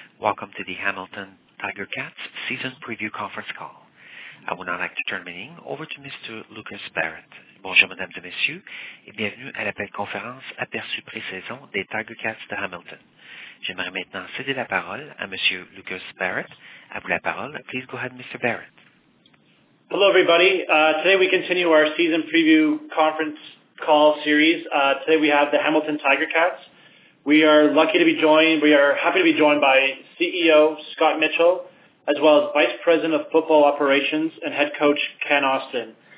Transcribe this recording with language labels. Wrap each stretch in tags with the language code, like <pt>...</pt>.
<en>Welcome to the Hamilton Tiger Cats Season Preview Conference Call. I would now like to turn the meeting over to Mr. Lucas Barrett.</en> <fr>Bonjour, mesdames et messieurs, et bienvenue à l'appel conférence aperçu pré-saison des Tiger Cats de Hamilton. J'aimerais maintenant céder la parole à Monsieur Lucas Barrett. À vous la parole.</fr> <en>Please go ahead, Mr. Barrett. Hello, everybody. Today we continue our season preview conference call series. Today we have the Hamilton Tiger Cats. We are happy to be joined by CEO Scott Mitchell, as well as Vice President of Football Operations and Head Coach Ken Austin.</en>